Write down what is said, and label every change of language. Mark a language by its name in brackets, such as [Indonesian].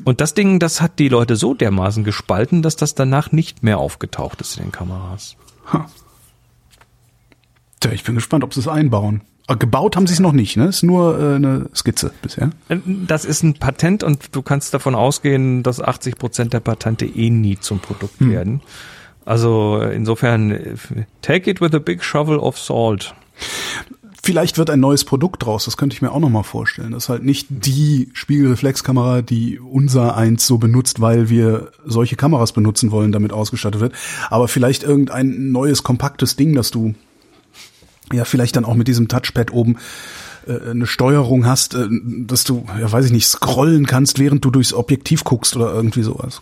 [German] Und das Ding, das hat die Leute so dermaßen gespalten, dass das danach nicht mehr aufgetaucht ist in den Kameras. Tja, ich bin gespannt, ob sie es einbauen. Gebaut haben sie es noch nicht, ne? Ist nur eine Skizze bisher. Das ist ein Patent und du kannst davon ausgehen, dass 80% der Patente eh nie zum Produkt werden. [English] Also insofern, take it with a big shovel of salt. [German] Vielleicht wird ein neues Produkt draus, das könnte ich mir auch nochmal vorstellen. Das ist halt nicht die Spiegelreflexkamera, die unser eins so benutzt, weil wir solche Kameras benutzen wollen, damit ausgestattet wird. Aber vielleicht irgendein neues, kompaktes Ding, das du ja vielleicht dann auch mit diesem Touchpad oben eine Steuerung hast, dass du, ja weiß ich nicht, scrollen kannst, während du durchs Objektiv guckst oder irgendwie sowas.